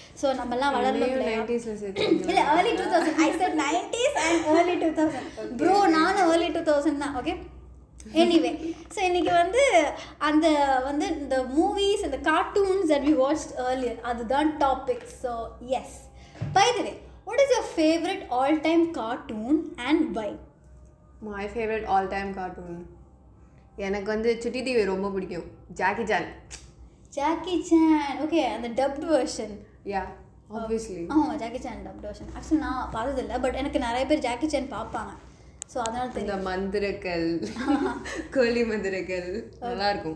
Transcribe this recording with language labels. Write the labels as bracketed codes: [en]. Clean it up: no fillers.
[ta] So நம்மலாம் வளர்ந்தோம் இல்லை, early 2000, [en] I said 90s and early 2000 bro, [ta] நானும் ஏர்லி 2000 தான். ஓகே, எனிவே, ஸோ இன்றைக்கி வந்து அந்த வந்து இந்த மூவிஸ் அந்த cartoons [en] that we watched earlier, [ta] அதுதான் topic. [en] So yes, By the way, what is your favorite all-time cartoon and why? My favorite all-time cartoon? [ta] எனக்கு வந்து சுட்டி டிவி ரொம்ப பிடிக்கும், Jackie Chan. Jackie Chan, okay, அந்த டப்ட் வெர்ஷன். [en] Yeah, obviously. [ta] ஆமாம், Jackie Chan dubbed version. Actually நான் பார்த்ததில்லை, but எனக்கு நிறைய பேர் ஜாக்கி சான் பார்ப்பாங்க. ஸோ அதனால் தெரியும் இந்த மந்திரக்கல், கோலி மந்திரக்கல் நல்லாயிருக்கும்.